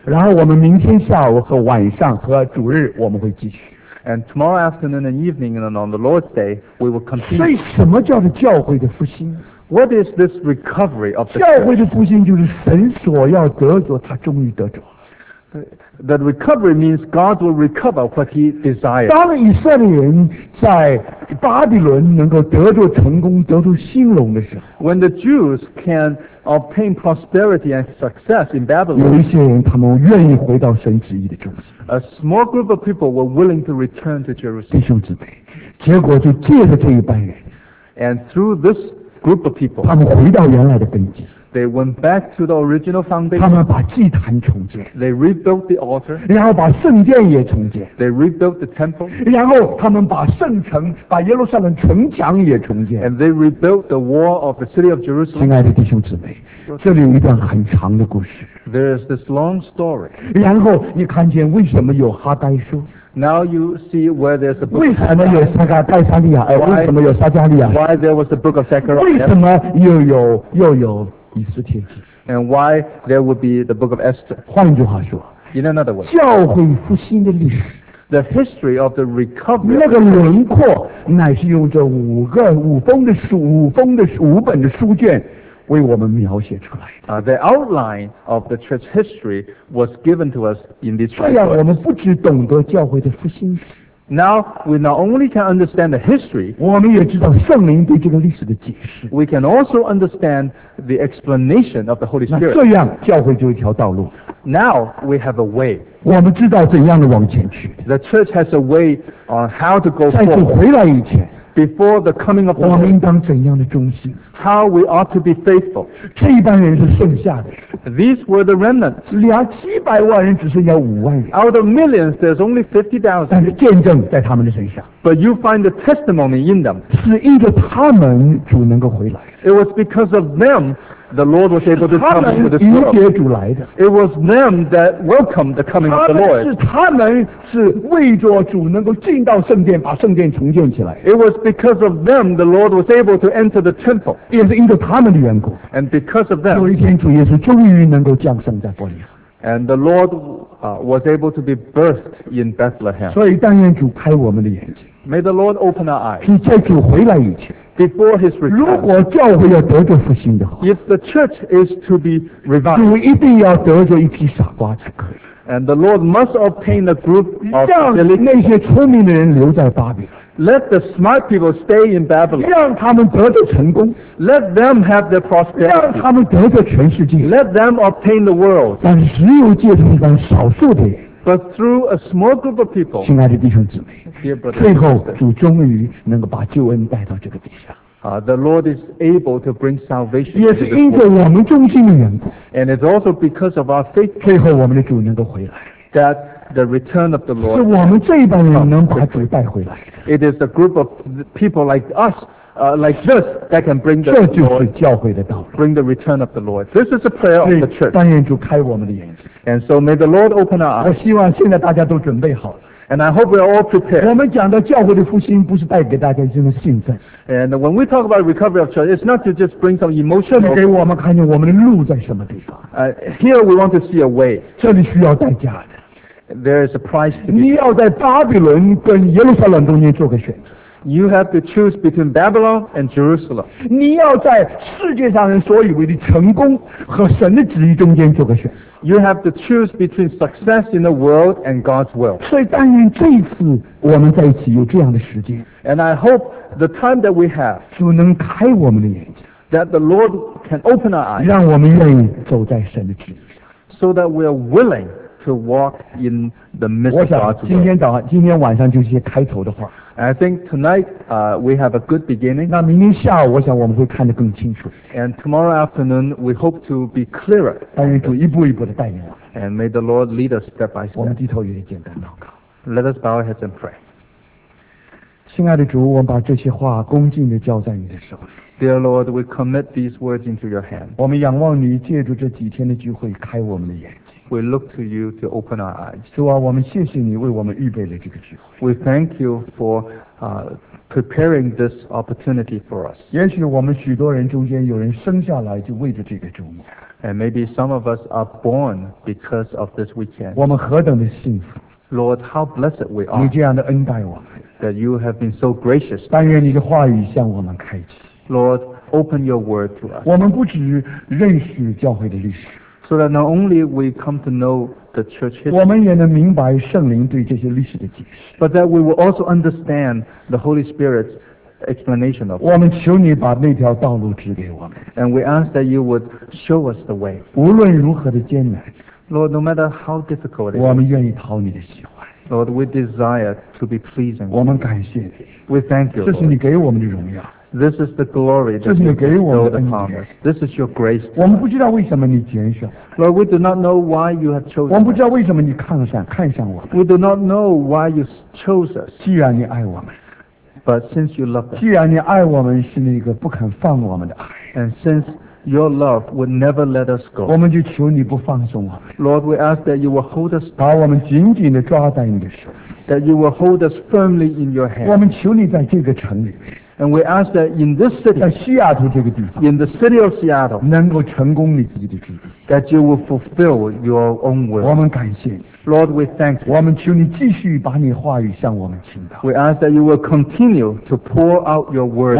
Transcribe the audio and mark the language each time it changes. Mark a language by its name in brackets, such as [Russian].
[Chinese] 然后我们明天下午和晚上和主日我们会继续。 [English] And tomorrow afternoon and evening and on the Lord's Day, we will continue. [Chinese] 所以什么叫做教会的复兴？ [English] What is this recovery of the church? That recovery means God will recover what he desires. [Chinese] 当以色列人在巴比伦能够得着成功，得出兴隆的时候， [English] When the Jews can obtain prosperity and success in Babylon, [Chinese] 有一些人他们愿意回到神旨意的中心。 [English] A small group of people were willing to return to Jerusalem. [Chinese] 弟兄姊妹，结果就借着这一班人， [English] And through this group of people, [Chinese] 他们回到原来的根基。 [English] They went back to the original foundation. [Chinese] 他们把祭坛重建。 [English] They rebuilt the altar. [Chinese] 然后把圣殿也重建。 [English] They rebuilt the temple. [Chinese] 然后他们把圣城，把耶路撒冷城墙也重建。 [English] And they rebuilt the wall of the city of Jerusalem. [Chinese] 亲爱的弟兄姊妹，这里有一段很长的故事。 [English] There is this long story. [Chinese] 然后你看见为什么有哈该书。 [English] Now you see where there's a book. [Chinese] 为什么有撒加盖撒利亚？为什么有撒加利亚 [English] ？Why there was the book of Zechariah? [Chinese] 为什么又有以斯帖记 [English] ？And why there would be the book of Esther? [Chinese] 换句话说 [English] ，In another word, [Chinese] 教会复兴的历史 [English] ，The history of the recovery. [Chinese] 那个轮廓乃是用这五本的书卷。为我们描写出来的。 [English] The outline of the church history was given to us in this [Chinese] chapter. 这样我们不只懂得教会的复兴史。 [English] Now we not only can understand the history, [Chinese] 我们也知道圣灵对这个历史的解释。 [English] We can also understand the explanation of the Holy Spirit. [Chinese] 这样教会就一条道路。 [English] Now we have a way. [Chinese] 我们知道怎样的往前去。 [English] The church has a way on how to go forward. [Chinese] 再次回来以前。 [English] Before the coming of the Lord, [Chinese] 我们应当怎样的忠心？ [English] How we ought to be faithful. [Chinese] 这一班人是剩下的。 [English] These were the remnants. [Chinese] 两七百万人只剩下五万人。 [English] Out of millions, there's only 50,000. [Chinese] 但是见证在他们的身上。 [English] But you find the testimony in them. [Chinese] 是因着他们主能够回来。 [English] It was because of them the Lord was able to come into this world. [Chinese] 他们迎接主来的。 [English] It was them that welcomed the coming of the Lord. [Chinese] 他们是为着主能够进到圣殿，把圣殿重建起来。 [English] It was because of them the Lord was able to enter the temple. [Chinese] 也是因着他们的缘故。 [English] And because of them, [Chinese] 有一天主耶稣终于能够降生在伯利恒。 [English] And the Lord was able to be birthed in Bethlehem. [Chinese] 所以但愿主开我们的眼睛。 [English] May the Lord open our eyes. [Chinese] 是在主回来以前。 [English] Before his return. [Chinese] 如果教会要得着复兴的话。 [English] If the church is to be revived. [Chinese] 主一定要得着一批傻瓜才可以。 [English] And the Lord must obtain a group of silly [Chinese] people. 让那些聪明的人留在巴比伦。 [English] Let the smart people stay in Babylon. [Chinese] 让他们得着成功。 [English] Let them have their prosperity. [Chinese] 让他们得着全世界。 [English] Let them obtain the world. [Chinese] 但是只有借着一帮少数的人。 [English] But through a small group of people. [Chinese] 亲爱的弟兄姊妹， [English] dear brothers, [Chinese] 最后主终于能够把救恩带到这个地下。 [English] The Lord is able to bring salvation. [Chinese] 也是因着我们忠心的缘故。 [English] And it's also because of our faith. [Chinese] 最后我们的主能够回来。 [English] That. The return of the Lord. [Chinese] 是我们这一班人能把主带回来。 [English] It is a group of people like us, like this, that can bring the Lord. [Chinese] 这就是教会的道路。 [English] Bring the return of the Lord. This is a prayer of the church. [Chinese] 但愿主开我们的眼睛。 [English] And so may the Lord open our eyes. [Chinese] 我希望现在大家都准备好了。 [English] And I hope we're all prepared. [Chinese] 我们讲的教会的复兴不是带给大家一种兴奋。 [English] And when we talk about recovery of church, it's not to just bring some emotion. [Chinese] 给我们看见我们的路在什么地方。 [English] Here we want to see a way. [Chinese] 这里需要代价的。 [English] There is a price to be. [Chinese] 你要在巴比伦跟耶路撒冷中间做个选择。 [English] You have to choose between Babylon and Jerusalem. [Chinese] 你要在世界上人所以为的成功和神的旨意中间做个选。 [English] You have to choose between success in the world and God's will. [Chinese] 所以但愿这一次我们在一起有这样的时间。 [English] And I hope the time that we have, [Chinese] 主能开我们的眼睛。 [English] That the Lord can open our eyes. [Chinese] 让我们愿意走在神的旨意。 [English] So that we are willing to walk in the midst of God's will. [Chinese] 我想今天晚上就是一些开头的话。 [English] And I think tonight, we have a good beginning. [Chinese] 那明天下午我想我们会看得更清楚。 [English] And tomorrow afternoon, we hope to be clearer. [Chinese] 但愿主一步一步地带领我们。 [English] And may the Lord lead us step by step. [Chinese] 我们低头有点简单祷告。 [English] Let us bow our heads and pray. [Chinese] 亲爱的主，我们把这些话恭敬地交在你的手里。 [English] Dear Lord, we commit these words into your hand. [Chinese] 我们仰望你，借助这几天的聚会开我们的眼睛。 [English] We look to you to open our eyes. [Chinese] 主啊，我们谢谢你为我们预备了这个机会。 [English] We thank you for preparing this opportunity for us. [Chinese] 也许我们许多人中间有人生下来就为着这个周末。 [English] And maybe some of us are born because of this weekend. [Chinese] 我们何等的幸福。 [English] Lord, how blessed we are. [Chinese] 你这样的恩待我们。 [English] That you have been so gracious. [Chinese] 但愿你的话语向我们开启。 [English] Lord, open your word to us. [Chinese] 我们不只认识教会的历史。 [English] So that not only we come to know the church history, [Chinese] 我们也能明白圣灵对这些历史的解释。 [English] But that we will also understand the Holy Spirit's explanation of it. [Chinese] 我们求你把那条道路指给我们。 [English] And we ask that you would show us the way. [Chinese] 无论如何的艰难。 [English] Lord, no matter how difficult it is, [Chinese] 我们愿意讨你的喜欢。 [English] Lord, we desire to be pleasing. [Chinese] 我们感谢你。 [English] We thank you. [Chinese] 这是你给我们的荣耀。 [English] This is the glory that you have bestowed upon us. This is your grace. [Chinese] 我们不知道为什么你拣选。 [English] Lord, we do not know why you have chosen us. [Chinese] 我们不知道为什么你看上我们。 [English] We do not know why you chose us. [Chinese] 既然你爱我们。 [English] But since you love us. [Chinese] 既然你爱我们是那个不肯放我们的爱。 [English] And since your love would never let us go. [Chinese] 我们就求你不放松我们。 [English] Lord, we ask that you will hold us. [Chinese] 把我们紧紧地抓在你的手。 [English] That you will hold us firmly in your hand. [Chinese] 我们求你在这个城里。 [English] And we ask that in this city, [Chinese] 在西雅图这个地方, [English] in the city of Seattle, [Chinese] 能够成功你自己的旨意, [English] that you will fulfill your own will. [Chinese] 我们感谢你。 [English] Lord, we thank you. [Chinese] 我们求你继续把你话语向我们倾倒。 [English] We ask that you will continue to pour out your word.